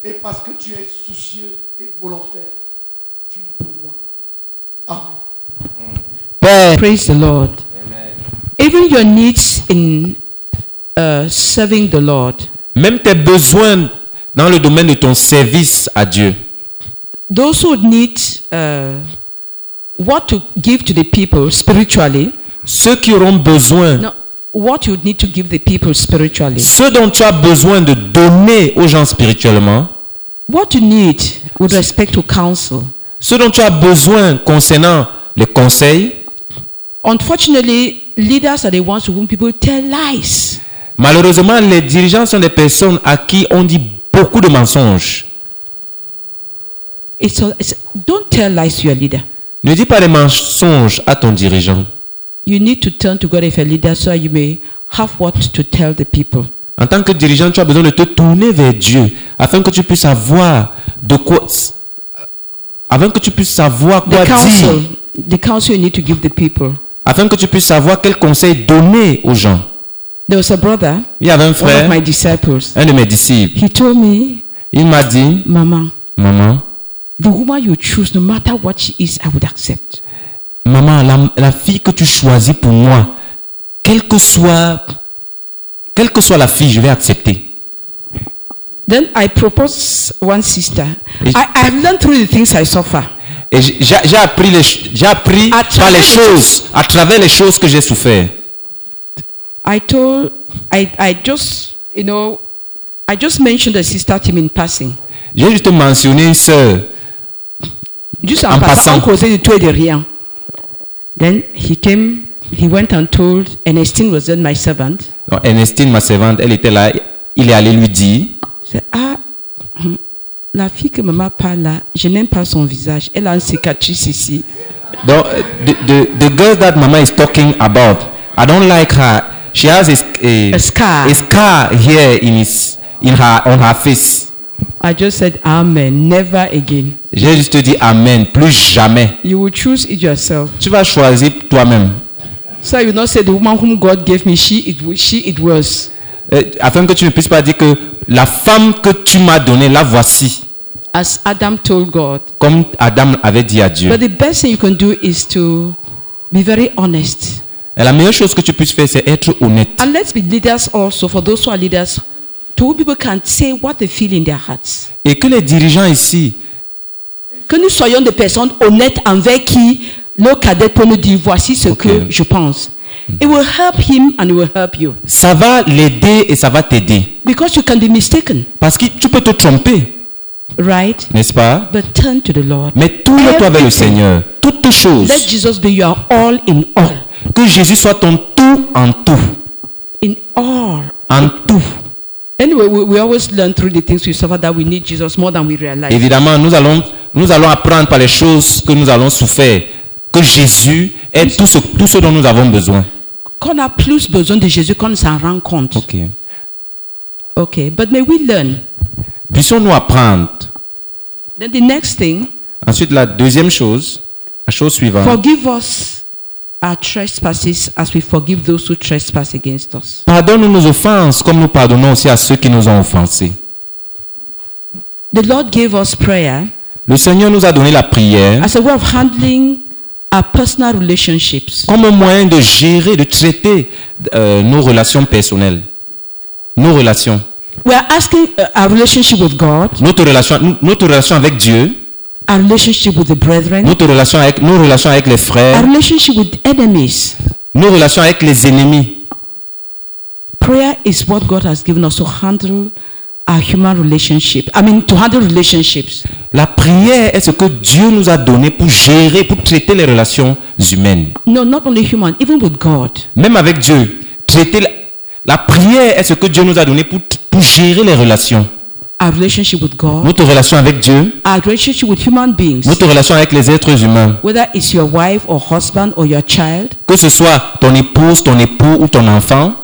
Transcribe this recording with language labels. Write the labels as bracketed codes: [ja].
[fr] Et parce que tu es soucieux et volontaire, tu y pourvois. Amen. [en] Père, praise the Lord. Amen. Even your needs in serving the Lord. [fr] Même tes besoins dans le domaine de ton service à Dieu. [en] Those who need what to give to the people spiritually? [fr] Ceux qui auront besoin. [en] No, what you need to give the people spiritually? [fr] Ce dont tu as besoin de donner aux gens spirituellement. [en] What you need with respect to counsel? [fr] Ce dont tu as besoin concernant les conseils. [en] Unfortunately, leaders are the ones to whom people tell lies. [fr] Malheureusement, les dirigeants sont des personnes à qui on dit beaucoup de mensonges. [en] Don't tell lies to your leader. [fr] Ne dis pas les mensonges à ton dirigeant. [en] You need to turn to God as a leader so you may have what to tell the people. [fr] En tant que dirigeant, tu as besoin de te tourner vers Dieu afin que tu puisses avoir de quoi, afin que tu puisses savoir quoi dire. [en] The counsel you need to give the people. [fr] Afin que tu puisses savoir quel conseil donner aux gens. [en] There was a brother. [fr] Il y avait un frère. [en] One of my disciples. [fr] Un de mes disciples. [en] He told me. [fr] Il m'a dit. Maman. [en] The woman you choose, no matter what she is, I would accept. [fr] Maman, la fille que tu choisis pour moi, quelle que soit la fille, je vais accepter. [en] Then I propose one sister. I've learned through the things I suffer. [fr] Et j'ai appris par les choses, à travers les choses que j'ai souffert. [en] I just mentioned a sister to him in passing. [fr] J'ai juste mentionné une sœur. Juste en passant, sans causer de tout et de rien. [en] Then he came, he went and told Ernestine, was then my servant. [fr] Non, Ernestine, ma servante, elle était là. Il est allé lui dire. La fille que maman parle là, je n'aime pas son visage. Elle a une cicatrice ici. [en] Donc, the girl that mama is talking about, I don't like her. She has a scar here on her face. I just said amen, never again. [fr] J'ai juste dit amen, plus jamais. [en] You will choose it yourself. [fr] Tu vas choisir toi-même. [en] So you not say the woman whom God gave me, she it was. [fr] Afin que tu ne puisses pas dire que la femme que tu m'as donnée, la voici. [en] As Adam told God. [fr] Comme Adam avait dit à Dieu. [en] But the best thing you can do is to be very honest. [fr] Et la meilleure chose que tu puisses faire, c'est être honnête. [en] And let's be leaders also for those who are leaders. Two people can say what they feel in their hearts. [fr] Et que les dirigeants ici. Que nous soyons des personnes honnêtes envers qui le cadet peut nous dire voici ce okay. que je pense. [en] It will help him and it will help you. [fr] Ça va l'aider et ça va t'aider. [en] Because you can be mistaken. [fr] Parce que tu peux te tromper. [en] Right. [fr] N'est-ce pas? [en] But turn to the Lord. [fr] Mais tourne-toi vers le Seigneur. Toutes choses. [en] Let Jesus be your all in all. [fr] Que Jésus soit ton tout en tout. [en] In all. [fr] En tout. [en] Anyway, we always learn through the things we suffer that we need Jesus more than we realize. [fr] Évidemment, nous allons apprendre par les choses que nous allons souffrir que Jésus est tout ce dont nous avons besoin. Qu'on a plus besoin de Jésus qu'on s'en rend compte. Okay. [en] Okay, but may we learn. [fr] Puissions-nous apprendre. [en] Then the next thing. [fr] Ensuite, la deuxième chose, la chose suivante. [en] Forgive us our trespasses as we forgive those who trespass against us. [fr] Pardonne nos offenses comme nous pardonnons aussi à ceux qui nous ont offensés. [en] The Lord gave us prayer. [fr] Le Seigneur nous a donné la prière. [en] As a way of handling our personal relationships. [fr] Comme un moyen de gérer, de traiter nos relations personnelles. Nos relations. [en] We are asking our relationship with God. [fr] Notre relation avec Dieu. [en] Our relationship with the brethren. [fr] Nos relations avec les frères. [en] Our relationship with enemies. [fr] Nos relations avec les ennemis. [en] Prayer is what God has given us to handle our human relationship. I mean, to handle relationships. [fr] La prière est ce que Dieu nous a donné pour gérer, pour traiter les relations humaines. [en] No, not only human, even with God. [fr] Même avec Dieu, la prière est ce que Dieu nous a donné pour gérer les relations. [en] Our relationship with God. [fr] Notre relation avec Dieu. [en] Our relationship with human beings. [fr] Notre relation avec les êtres humains. [en] Whether it's your wife or husband or your child. [fr] Que ce soit ton épouse, ton époux ou ton enfant.